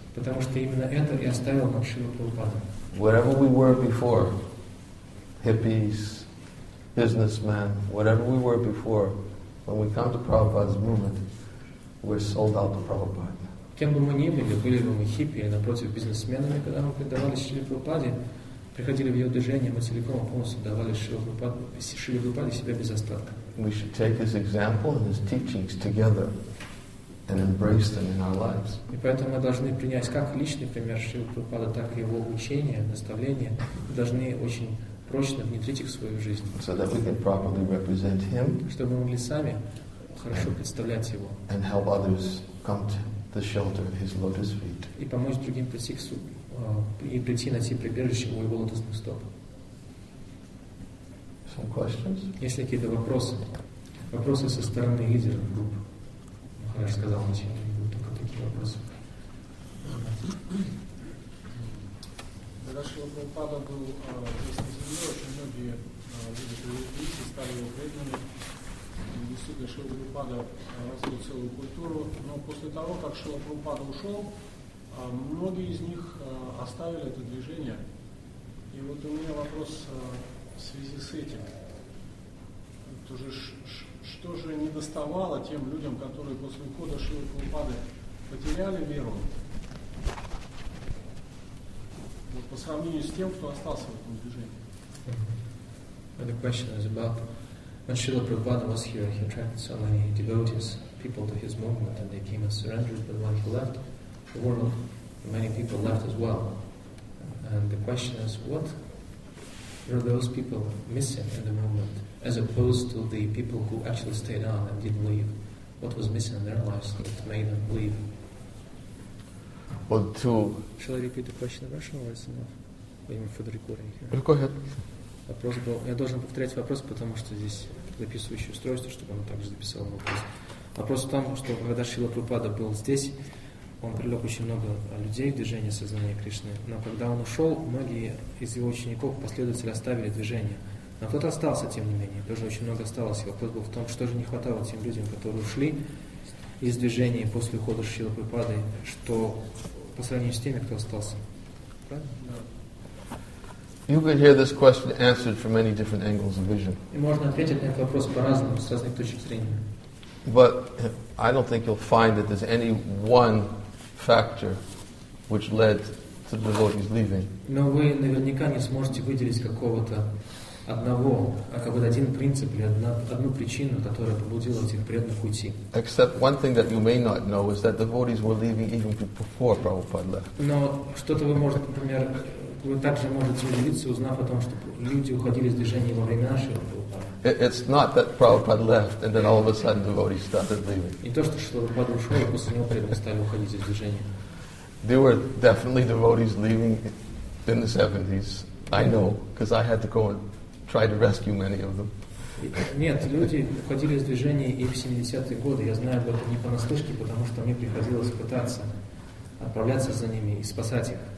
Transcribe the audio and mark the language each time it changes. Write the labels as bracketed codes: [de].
[ru] Потому что именно это и оставил нам Шрила Прабхупада. [en] Wherever we were before, hippies, businessmen, whatever we were before, when we come to Prabhupada's movement, we're sold out to Prabhupada. [ru] Кем бы мы ни были бы мы хиппи или напротив бизнесменами, когда мы предавались Шриле Прабхупаде, приходили в его движение, мы целиком и полностью давали Шриле Прабхупаде себя без остатка. [en] We should take his example and his teachings together and embrace them in our lives. [ru] И поэтому мы должны принять как личный пример Шрилы Прабхупады, так и его учение, наставление, должны очень прочно внедрить их в свою жизнь. [en] So that we can properly represent him. [ru] Чтобы мы могли сами хорошо представлять его. [en] And help others come to the shelter of his lotus feet. [ru] И помочь другим прийти к и прийти на те прибежище у его лотосных стоп. [en] Some questions? [ru] Есть ли какие-то вопросы? Вопросы со стороны лидера группы? Я же сказал, что не будут только такие вопросы. Когда Шрила Прабхупада был здесь на земле, очень многие люди привыкли, стали его преданными. Действительно, Шрила Прабхупада развил целую культуру. Но после того, как Шрила Прабхупада ушел, многие из них оставили это движение. И вот у меня вопрос в связи с этим. Тоже что же не доставало тем людям, которые после ухода Шрилы Прабхупады потеряли веру? Вот по сравнению с тем, кто остался в этом движении. [en] The question is about when Srila Prabhupada was here, he attracted so many devotees, people to his movement, and they came and surrendered. But when he left the world, many people left as well. And the question is, what you know, those people missing in the moment, as opposed to the people who actually stayed on and didn't leave. What was missing in their lives that made them leave? Well, to... Shall I repeat the question in Russian or is it enough? I mean, for the recording here. Go ahead. [ru] Вопрос был... Я должен повторять вопрос, потому что здесь записывающее устройство, чтобы оно также записало вопрос. Вопрос в том, что когда Шрила Прабхупада был здесь, он привлек очень много людей в движение сознания Кришны. Но когда он ушел, многие из его учеников, последователей оставили движение. Но кто-то остался, тем не менее. Тоже очень много осталось. И вопрос был в том, что же не хватало тем людям, которые ушли из движения после ухода Шрила Прабхупады, что по сравнению с теми, кто остался. Правильно? [en] You could hear this question answered from many different angles of vision. But I don't think you'll find that there's any one factor which led to the devotees leaving. [ru] Но вы наверняка не сможете выделить какого-то одного, а как бы один принцип или одну причину, которая побудила этих преданных уйти. [en] Except one thing that you may not know is that devotees were leaving even before Prabhupada left. [ru] Но что-то вы можете, например, вы также можете удивиться, узнав о том, что люди уходили из движения во время нашего Прабхупады. [en] It's not that Prabhupada left and then all of a sudden devotees started leaving. [ru] Не то, что Шрила Прабхупада ушел, а после него преданные стали уходить из движения. [en] There were definitely devotees leaving in the 70s. I know, because I had to go and try to rescue many of them. [ru] Нет, люди уходили из движения и в 70-е годы. Я знаю об этом не понаслышке, потому что мне приходилось пытаться отправляться за ними и спасать их.